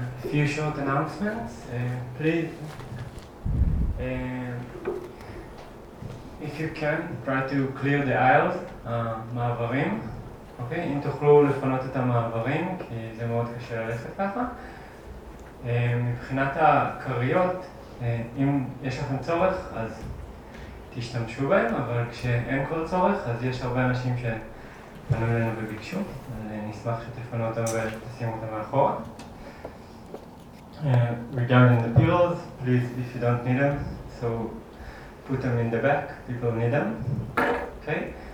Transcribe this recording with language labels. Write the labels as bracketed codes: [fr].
[en] few short announcements, please. If you can, try to clear the aisles, מעברים, אוקיי? [he] אם תוכלו לפנות את המעברים, כי זה מאוד קשה ללכת ככה. מבחינת הקריות, אם יש לכם צורך, אז תשתמשו בהם, אבל כשאין כל צורך, אז יש הרבה אנשים שפנו אלינו וביקשו, אז נשמח שתפנו אותם ותשימו אותם מאחורה. [en] Regarding the pillows, please, if you don't need them, so put them in the back, people need them, okay?